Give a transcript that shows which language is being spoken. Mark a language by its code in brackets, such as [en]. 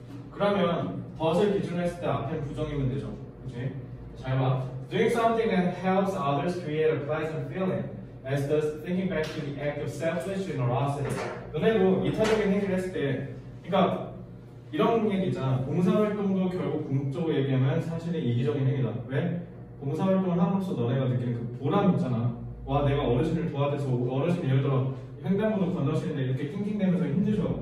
[ko] 그러면 but을 기준으로 했을 때 앞에 부정이면 되죠. 그치? 잘 봐. [en] Doing something that helps others create a pleasant feeling as does thinking back to the act of selfish generosity. [ko] 너네도 이타적인 행위를 했을 때 그러니까 이런 얘기 있잖아. 봉사활동도 결국 궁극적으로 얘기하면 사실은 이기적인 행위다. 왜? 봉사활동을 함으로써 너네가 느끼는 그 보람 있잖아. 와, 내가 어르신을 도와줘서 어르신이 예를 들어 횡단보도 건너시는데 이렇게 낑낑대면서 힘드셔.